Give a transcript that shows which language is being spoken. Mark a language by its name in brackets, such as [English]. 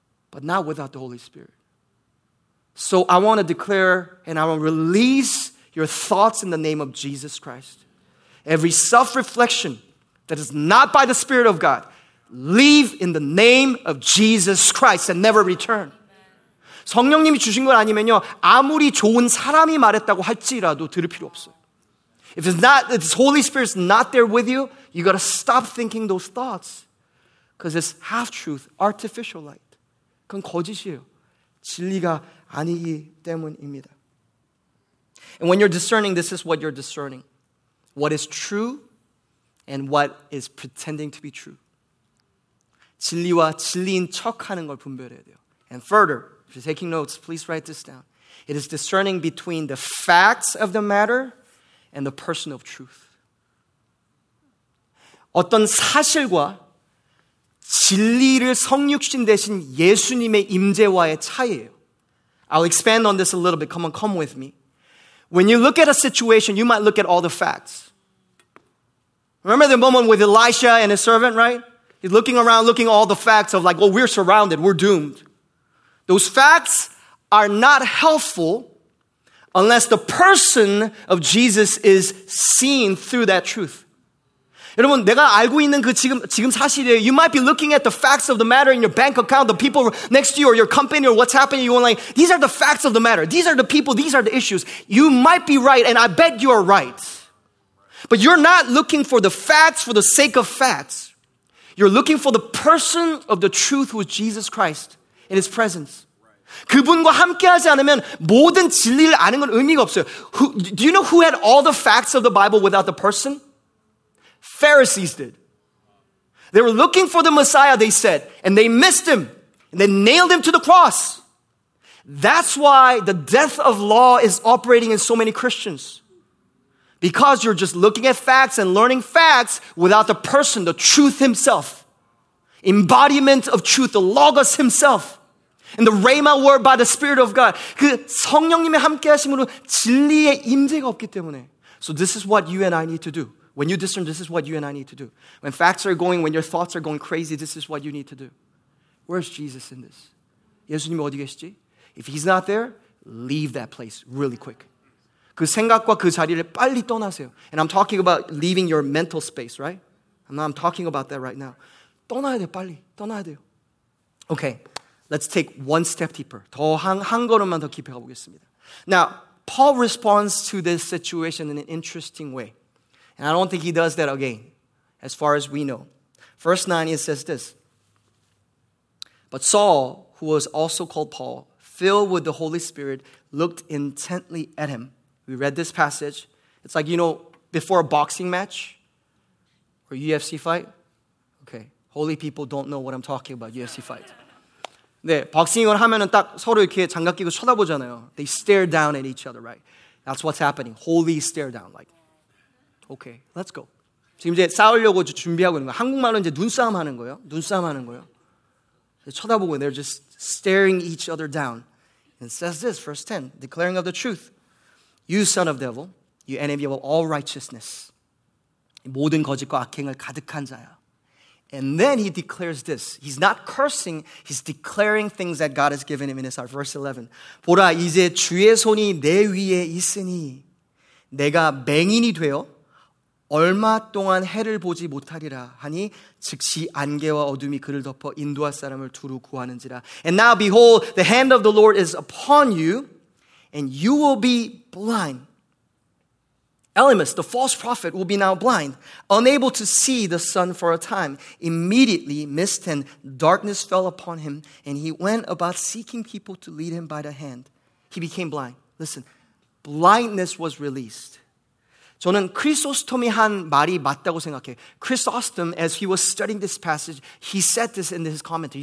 [English] But not without the Holy Spirit. So I want to declare and I want to release your thoughts in the name of Jesus Christ. Every self-reflection that is not by the Spirit of God, leave in the name of Jesus Christ and never return. [Korean] 성령님이 주신 걸 아니면요, 아무리 좋은 사람이 말했다고 할지라도 들을 필요 없어요. [English] If it's not, if the Holy Spirit's not there with you, you gotta stop thinking those thoughts. Because it's half-truth, artificial light. [Korean] 그건 거짓이에요. 진리가 아니기 때문입니다. [English] And when you're discerning, this is what you're discerning. what is true and what is pretending to be true. [Korean] 진리와 진리인 척하는 걸 분별해야 돼요. [English] And further, if you're taking notes, please write this down. It is discerning between the facts of the matter and the person of truth. [Korean] 어떤 사실과 진리를 성육신 대신 예수님의 임재와의 차이예요. [English] I'll expand on this a little bit. Come on, come with me. When you look at a situation, you might look at all the facts. Remember the moment with Elisha and his servant, right? He's looking around, looking at all the facts of like, well, we're surrounded, we're doomed. Those facts are not helpful unless the person of Jesus is seen through that truth. [Korean] 여러분, 내가 알고 있는 그 지금 사실이에요. [English] You might be looking at the facts of the matter in your bank account, the people next to you or your company or what's happening. You're like, these are the facts of the matter. These are the people. These are the issues. You might be right, and I bet you are right. But you're not looking for the facts for the sake of facts. You're looking for the person of the truth who is Jesus Christ in his presence. [Korean] 그분과 함께하지 않으면 모든 진리를 아는 건 의미가 없어요. [English] Do you know who had all the facts of the Bible without the person? Pharisees did. They were looking for the Messiah, they said, and they missed him, and they nailed him to the cross. That's why the death of law is operating in so many Christians. Because you're just looking at facts and learning facts without the person, the truth himself. Embodiment of truth, the Logos himself. And the Rhema word by the Spirit of God. [Korean] 그 성령님이 함께 하심으로 진리의 임재가 없기 때문에. [English] So this is what you and I need to do. When you discern, this is what you and I need to do. When facts are going, when your thoughts are going crazy, this is what you need to do. Where's Jesus in this? [Korean] 예수님 어디 계시지? [English] If he's not there, leave that place really quick. [Korean] 그 생각과 그 자리를 빨리 떠나세요. [English] And I'm talking about leaving your mental space, right? I'm talking about that right now. [Korean] 떠나야 돼, 빨리. 떠나야 돼요. [English] Okay, let's take one step deeper. [Korean] 더 한 걸음만 더 깊이 가보겠습니다. [English] Now, Paul responds to this situation in an interesting way. And I don't think he does that again, as far as we know. Verse 9, it says this. But Saul, who was also called Paul, filled with the Holy Spirit, looked intently at him. We read this passage. It's like, you know, before a boxing match or UFC fight. Okay, holy people don't know what I'm talking about, UFC fight. [Korean] 네, 박싱을 하면은 딱 서로 이렇게 장갑 끼고 쳐다보잖아요. [English] They stare down at each other, right? That's what's happening. Holy stare down, like, okay, let's go. [Korean] 지금 이제 싸우려고 준비하고 있는 거예요. 한국말로 이제 눈싸움 하는 거예요. 눈싸움 하는 거예요. 쳐다보고, [English] they're just staring each other down. And it says this, verse 10, declaring of the truth. You son of devil, you enemy of all righteousness. [Korean] 모든 거짓과 악행을 가득한 자야. [English] And then he declares this. He's not cursing, he's declaring things that God has given him in his heart. [Korean] Verse 11, 보라, 이제 주의 손이 내 위에 있으니 내가 맹인이 되어 얼마 동안 해를 보지 못하리라 하니 즉시 안개와 어둠이 그를 덮어 인도할 사람을 두루 구하는지라. [English] And now behold, the hand of the Lord is upon you, and you will be blind. Elymas, the false prophet, will be now blind, unable to see the sun for a time. Immediately mist and darkness fell upon him, and he went about seeking people to lead him by the hand. He became blind. Listen, blindness was released. [Korean] 저는 크리소스톰이 한 말이 맞다고 생각해. [English] Chrysostom, as he was studying this passage, he said this in his commentary.